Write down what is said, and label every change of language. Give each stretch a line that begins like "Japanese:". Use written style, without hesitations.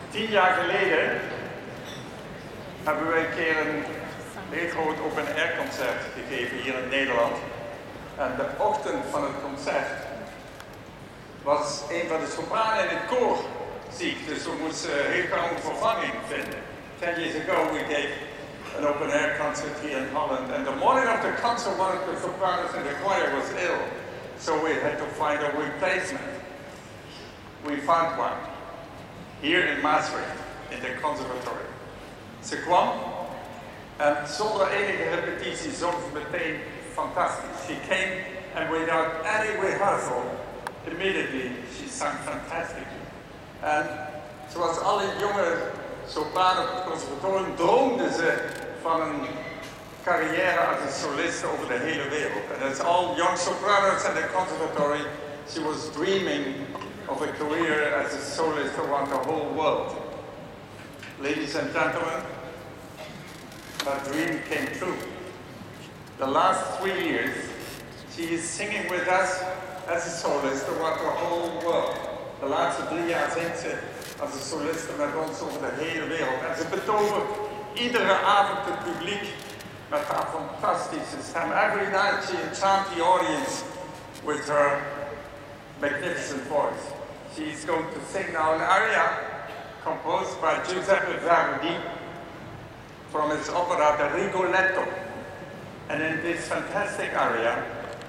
Dutch: jaar geleden hebben wij een keer een heel groot open air concert gegeven hier in Nederland. En de ochtend van het concert was een van de sopranen in het koor ziek, dus we moesten heel gauw een vervanging vinden.
English: 10 years ago we gave an open air concert here in Holland, and the morning of the concert one of the sopranos in the choir was ill, so we had to find a replacement. We found one here in Maastricht in the conservatory.
Dutch: Ze kwam en zonder enige repetitie zong ze meteen fantastisch.
English: She came and without any rehearsal, immediately she sang fantastically.
Dutch: En zoals alle jonge sopranen op het conservatorium droomde ze van een carrière als een soliste over de hele wereld.
English: En as all young sopranos in the conservatory, she was dreaming of a career as a soloist around the whole world. Ladies and gentlemen, her dream came true. The last 3 years, she is singing with us as a soloist around the whole world.
Dutch: De laatste 3 jaar zingt ze als een soliste met ons over de hele wereld. En ze betovert iedere avond het publiek met haar fantastische stem.
English: Every night she enchants the audience with her magnificent voice. She is going to sing now an aria composed by Giuseppe Verdi from his opera, The Rigoletto. And in this fantastic aria,